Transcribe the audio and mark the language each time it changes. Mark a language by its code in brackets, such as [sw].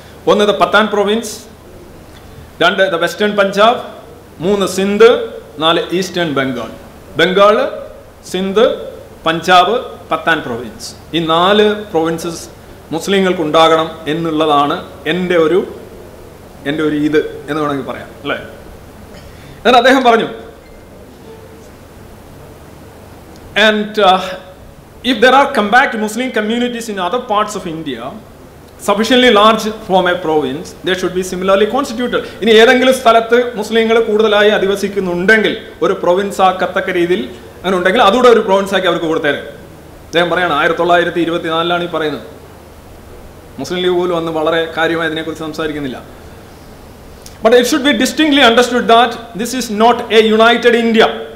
[ml] ഒന്ന് the Pathan province, 2 the western Punjab, 3 Sindh, 4 eastern Bengal. Bengal, Sindh, Punjab, Pathan province, ഈ 4 provinces മുസ്ലിങ്ങൾക്ക് ഉണ്ടാകണം എന്നുള്ളതാണ് എൻ്റെ ഒരു ഇത് എന്ന് വേണമെങ്കിൽ പറയാം അല്ലേ. എന്നാൽ അദ്ദേഹം പറഞ്ഞു [en] and if there are compact Muslim communities in other parts of India sufficiently large from a province, they should be similarly constituted. [ml] ഇനി ഏതെങ്കിലും സ്ഥലത്ത് മുസ്ലിങ്ങൾ കൂടുതലായി അധിവസിക്കുന്നുണ്ടെങ്കിൽ ഒരു പ്രൊവിൻസ് ആക്കത്തക്ക രീതിയിൽ അങ്ങനെ ഉണ്ടെങ്കിൽ അതുകൂടെ ഒരു പ്രൊവിൻസ് ആക്കി അവർക്ക് കൊടുത്തേരെ. അദ്ദേഹം പറയാണ് 1924 ഈ പറയുന്നത്. മുസ്ലിം ലീഗ് പോലും അന്ന് വളരെ കാര്യമായി അതിനെക്കുറിച്ച് സംസാരിക്കുന്നില്ല. [en] But it should be distinctly understood that this is not a united India.